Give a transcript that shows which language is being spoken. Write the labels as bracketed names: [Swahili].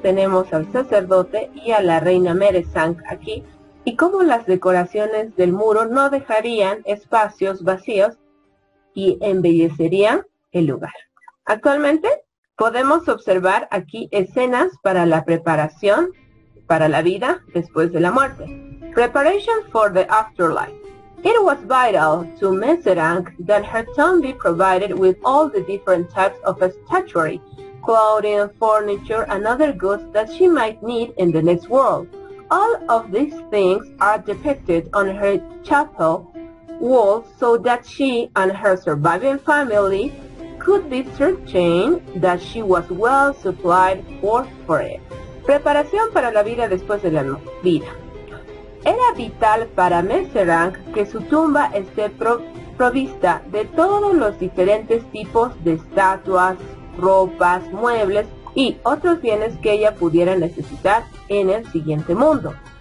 [Spanish] Tenemos al sacerdote y a la reina Meresang aquí y cómo las decoraciones del muro no dejarían espacios vacíos y embellecerían el lugar. Actualmente podemos observar aquí escenas para la preparación para la vida después de la muerte. [English] Preparation for the afterlife. It was vital to Meresang that her tomb be provided with all the different types of statuary, clothing, furniture, and other goods that she might need in the next world. All of these things are depicted on her chapel walls so that she and her surviving family could be certain that she was well supplied for it. [Spanish] Preparación para la vida después de la vida. Era vital para Meresang que su tumba esté provista de todos los diferentes tipos de estatuas, ropas, muebles y otros bienes que ella pudiera necesitar en el siguiente mundo.